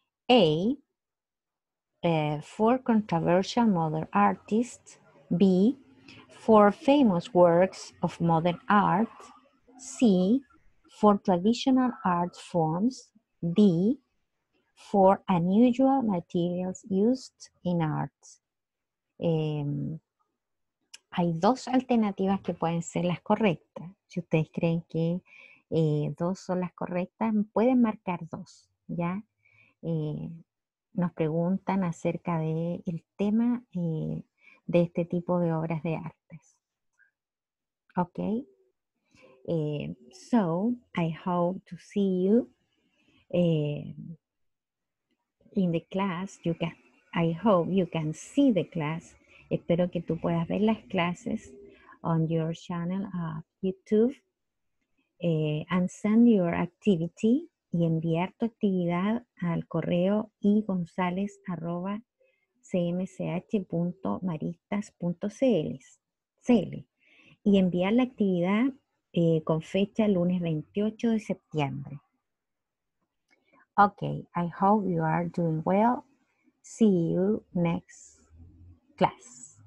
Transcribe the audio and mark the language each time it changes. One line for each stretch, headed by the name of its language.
English: A, four controversial modern artists. B, four famous works of modern art. C, four traditional art forms. D, four unusual materials used in art.
Spanish: Hay dos alternativas que pueden ser las correctas. Si ustedes creen que dos son las correctas, pueden marcar dos, ¿ya? Nos preguntan acerca del tema de este tipo de obras de artes.
English: Ok. So, I hope to see you in the class. I hope you can see the class.
Spanish: Espero que tú puedas ver las clases
English: on your channel of YouTube and send your activity
Spanish: y enviar tu actividad al correo igonzales@cmch.maristas.cl y enviar la actividad con fecha lunes 28 de septiembre.
English: Okay, I hope you are doing well. See you next class.